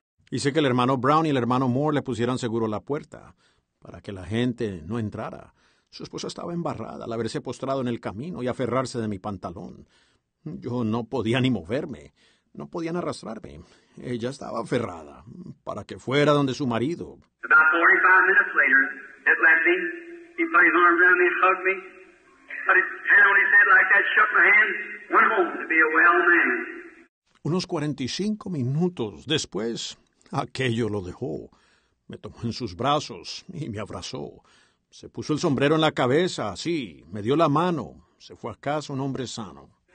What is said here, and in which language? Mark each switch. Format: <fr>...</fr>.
<es>Y sé que el hermano Brown y el hermano Moore le pusieran seguro la puerta para que la gente no entrara. Su esposa estaba embarrada al haberse postrado en el camino y aferrarse de mi pantalón. Yo no podía ni moverme. No podían arrastrarme. Ella estaba aferrada para que fuera donde su marido.</es> <en>About 45 minutes later, it left me. He put his arms around me and hugged me. Put his hand on his head like that, shook my hand, went home to be a well man.</en> <es>Unos 45 minutos después, aquello lo dejó. Me tomó en sus brazos y me abrazó. Se puso el sombrero en la cabeza, así. Me dio la mano. Se fue a casa un hombre sano.</es>